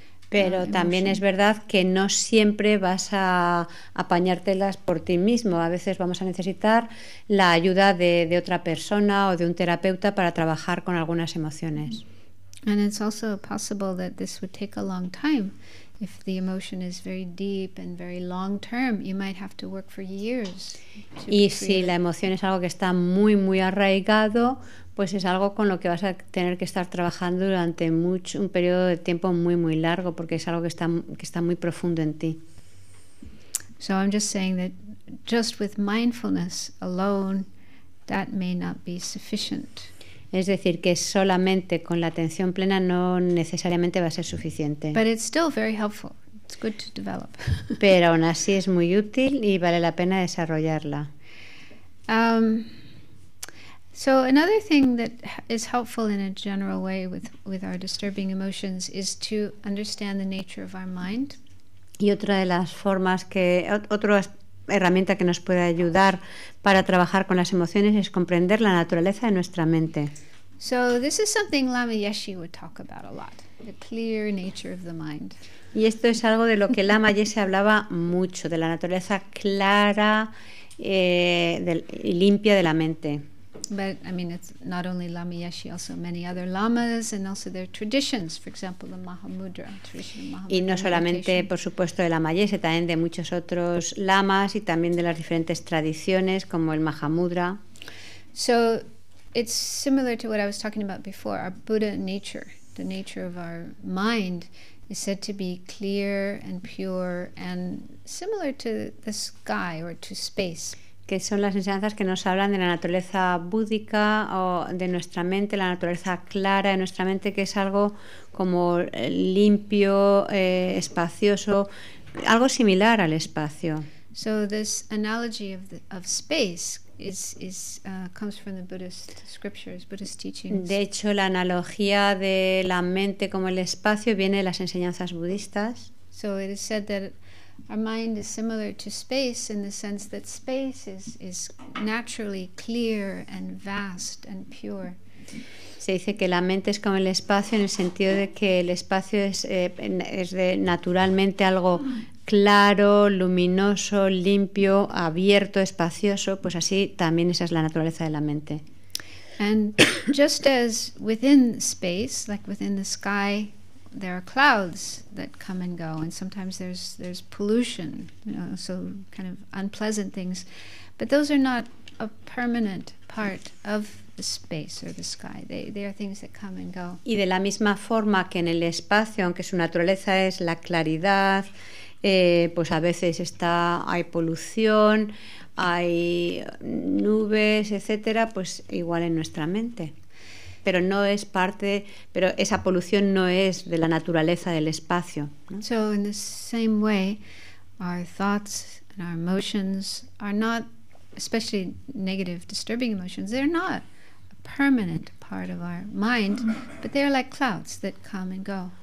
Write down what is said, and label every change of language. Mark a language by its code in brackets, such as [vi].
[es] Pero también es verdad que no siempre vas a apañártelas por ti mismo. A veces vamos a necesitar la ayuda de otra persona o de un terapeuta para trabajar con algunas emociones. [en] And it's also possible that this would take a long time. If the emotion is very deep and very long term, you might have to work for years. [es] Y si la emoción es algo que está muy muy arraigado, pues es algo con lo que vas a tener que estar trabajando durante un periodo de tiempo muy muy largo, porque es algo que está muy profundo en ti. [en] So I'm just saying that just with mindfulness alone, that may not be sufficient. [es] Es decir, que solamente con la atención plena no necesariamente va a ser suficiente. [en] But it's still very helpful. It's good to develop. [es] Pero aún así es muy útil y vale la pena desarrollarla. [en] So another thing that is helpful in a general way with our disturbing emotions is to understand the nature of our mind. [es] Y otra de las formas que otras herramienta que nos puede ayudar para trabajar con las emociones es comprender la naturaleza de nuestra mente. [en] So this is something Lama Yeshe would talk about a lot, the clear nature of the mind. [es] Y esto es algo de lo que Lama Yeshe hablaba mucho, de la naturaleza clara y limpia de la mente. [en] But I mean, it's not only Lama Yeshe, also many other lamas and also their traditions. For example, the Mahamudra tradition. [es] Y no solamente, por supuesto, de Lama Yeshe, también de muchos otros lamas y también de las diferentes tradiciones como el Mahamudra. [en] So it's similar to what I was talking about before. Our Buddha nature, the nature of our mind, is said to be clear and pure and similar to the sky or to space. [es] Que son las enseñanzas que nos hablan de la naturaleza búdica o de nuestra mente, la naturaleza clara de nuestra mente, que es algo como limpio, espacioso, algo similar al espacio. [en] So this analogy of space comes from the Buddhist scriptures, Buddhist teachings. [es] De hecho, la analogía de la mente como el espacio viene de las enseñanzas budistas. [en] So it is said that our mind is similar to space in the sense that space is naturally clear and vast and pure. [es] Se dice que la mente es como el espacio en el sentido de que el espacio es de naturalmente algo claro, luminoso, limpio, abierto, espacioso, pues así también esa es la naturaleza de la mente. [en] And just as within space, like within the sky, there are clouds that come and go, and sometimes there's pollution, you know, so kind of unpleasant things. But those are not a permanent part of the space or the sky. They are things that come and go. [es] Y de la misma forma que en el espacio, aunque su naturaleza es la claridad, pues a veces hay polución, hay nubes, etcétera, pues igual en nuestra mente. Pero no es parte, pero esa polución no es de la naturaleza del espacio, ¿no? [en] So in the same way, our thoughts and our emotions are not, especially negative, disturbing emotions, they're not a permanent part of our mind, but they're like clouds that come and go.